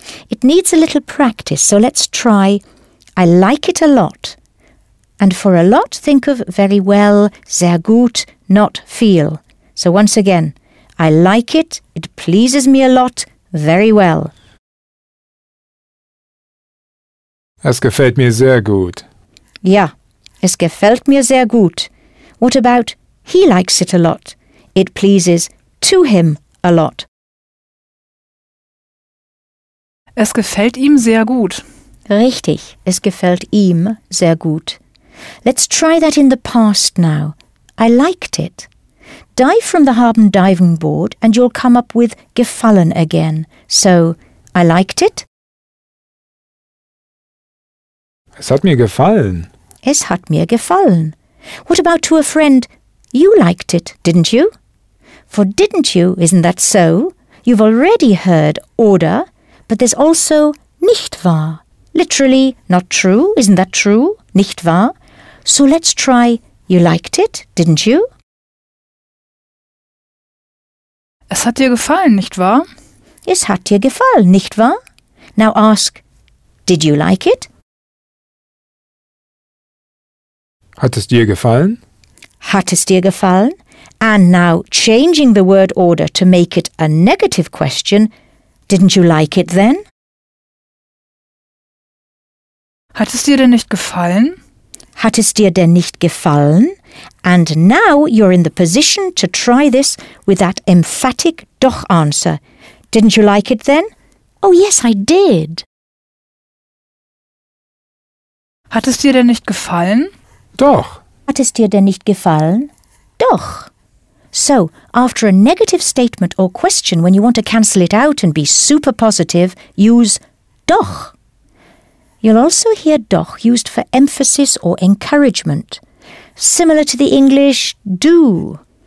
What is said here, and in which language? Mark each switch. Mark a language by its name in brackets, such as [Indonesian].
[English] It needs a little practice, so let's try I like it a lot. And for a lot, think of very well, sehr gut, not viel. So once again, I like it, it pleases me a lot, very well. [German] Es gefällt mir sehr gut. Ja, es gefällt mir sehr gut. [English] What about he likes it a lot? It pleases to him a lot. [German] Es gefällt ihm sehr gut. Richtig, es gefällt ihm sehr gut. [English] Let's try that in the past now. I liked it. Dive from the Haben diving board and you'll come up with gefallen again. So, I liked it. [German] Es hat mir gefallen. Es hat mir gefallen. [English] What about to a friend? You liked it, didn't you? For didn't you, isn't that so? You've already heard oder, but there's also nicht wahr. Literally, not true, isn't that true? [German] Nicht wahr? [English] So let's try, you liked it, didn't you? [German] Es hat dir gefallen, nicht wahr? Es hat dir gefallen, nicht wahr? [English] Now ask, did you like it? [German] Hat es dir gefallen? Hat es dir gefallen? [English] And now changing the word order to make it a negative question, didn't you like it then? [German] Hat es dir denn nicht gefallen? Hat es dir denn nicht gefallen? [English] And now you're in the position to try this with that emphatic doch answer. Didn't you like it then? Oh yes, I did. [German] Hat es dir denn nicht gefallen? Doch. Hat es dir denn nicht gefallen? Doch. [English] So, after a negative statement or question, when you want to cancel it out and be super positive, use doch. You'll also hear doch used for emphasis or encouragement. Similar to the English do.